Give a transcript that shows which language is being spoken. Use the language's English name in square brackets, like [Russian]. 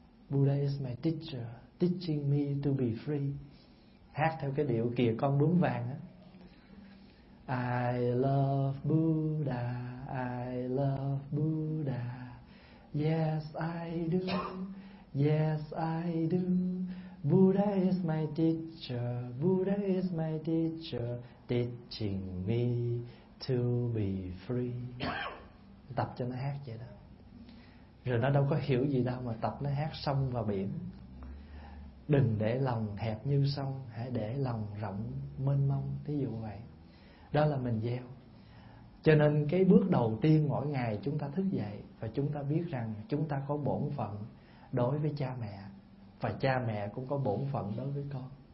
[English] Buddha is my teacher, teaching me to be free. [Vietnamese] Hát theo cái điệu kìa con bướm vàng á. [English] I love Buddha. I love Buddha. Yes, I do. Yes, I do. Buddha is my teacher. Buddha is my teacher, teaching me to be free. [Vietnamese] Tập cho nó hát vậy đó. Rồi nó đâu có hiểu gì đâu mà tập nó hát sông và biển. Đừng để lòng hẹp như sông, hãy để lòng rộng mênh mông. Thí dụ vậy. Đó là mình gieo. Cho nên cái bước đầu tiên mỗi ngày chúng ta thức dậy và chúng ta biết rằng chúng ta có bổn phận đối với cha mẹ, và cha mẹ cũng có bổn phận đối với con.